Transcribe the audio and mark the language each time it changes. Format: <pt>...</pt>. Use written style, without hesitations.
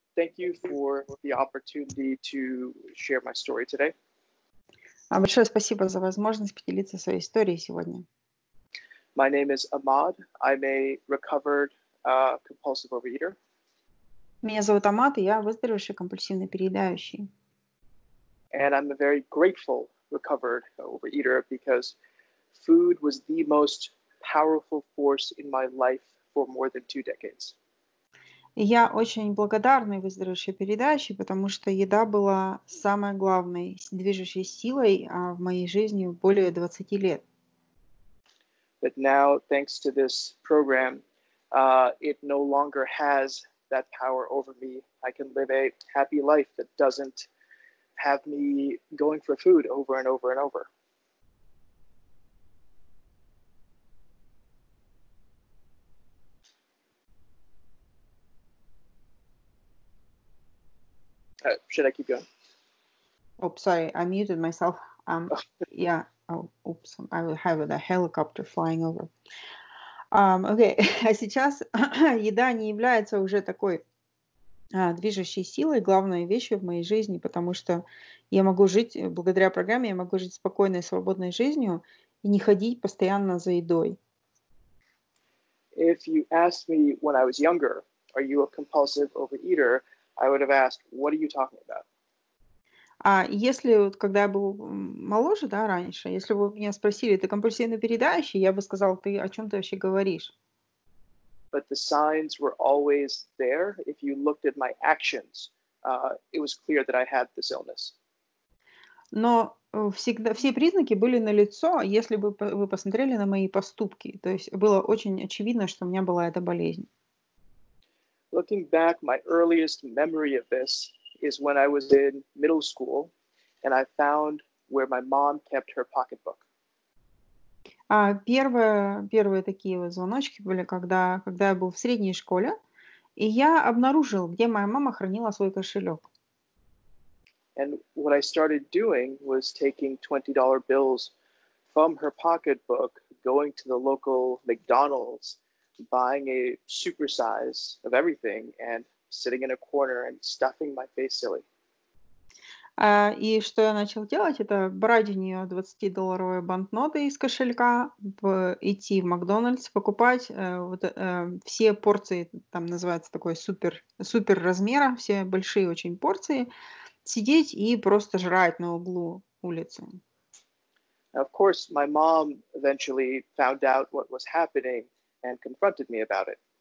<en>Thank you for the opportunity to share my story today.</en> <ru>Большое спасибо за возможность поделиться своей историей сегодня.</ru> <en>My name is Ahmad. I'm a recovered compulsive overeater.</en> <ru>Меня зовут Ahmad, и я выздоровевший компульсивный переедающий.</ru> <en>And I'm a very grateful recovered overeater because food was the most powerful force in my life for more than two decades.</en> <ru>Я очень благодарный выздоровевший переедающий, потому что еда была самой главной движущей силой в моей жизни более 20 лет.</ru> <en>But now, thanks to this program, it no longer has that power over me. I can live a happy life that doesn't have me going for food over and over and over. Should I keep going? Oops, sorry, I muted myself. Yeah. Oops, I will have a helicopter flying over. Okay.</en> <ru>А сейчас еда не является уже такой движущей силой, главной вещью в моей жизни, потому что я могу жить благодаря программе, я могу жить спокойной, свободной жизнью и не ходить постоянно за едой.</ru> <en>If you asked me when I was younger, are you a compulsive overeater? I would have asked, what are you talking about?</en> <ru>А если вот когда я был моложе, да, раньше, если бы меня спросили, ты компульсивный переедающий, я бы сказал, ты о чем ты вообще говоришь?</ru> <en>But the signs were always there. If you looked at my actions, it was clear that I had this illness.</en> <ru>Но всегда все признаки были налицо, если бы вы посмотрели на мои поступки. То есть было очень очевидно, что у меня была эта болезнь.</ru> <en>Looking back, my earliest memory of this is when I was in middle school and I found where my mom kept her pocketbook.</en> <ru>Первые такие вот звоночки были, когда я был в средней школе, и я обнаружил, где моя мама хранила свой кошелек.</ru> <en>And what I started doing was taking $20 bills from her pocketbook, going to the local McDonald's, buying a supersize of everything and sitting in a corner and stuffing my face silly.</en> <ru>И что я начал делать, это брать у нее 20-долларовые банкноты из кошелька, идти в Макдональдс, покупать все порции, там называется такой супер размера, все большие очень порции, сидеть и просто жрать на углу улицы.</ru> <en>Now, of course, my mom eventually found out what was happening and confronted me about it.</en>